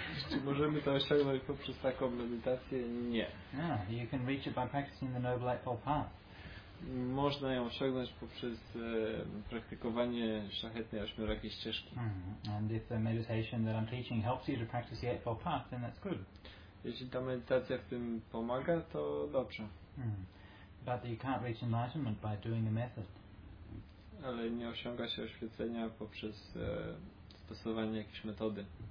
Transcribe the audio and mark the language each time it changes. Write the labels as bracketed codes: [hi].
[pl] Czy możemy to osiągnąć poprzez taką medytację? Nie. [en] You can reach it by practicing the Noble Eightfold Path. [pl] Można ją osiągnąć poprzez praktykowanie szlachetnej ośmiorakiej ścieżki. [en] And if the meditation that I'm teaching helps you to practice the Eightfold Path, then that's good. [pl] Jeśli ta medytacja w tym pomaga, to dobrze. [en] But you can't reach enlightenment by doing the method. [pl] Ale nie osiąga się oświecenia poprzez stosowanie jakiejś metody.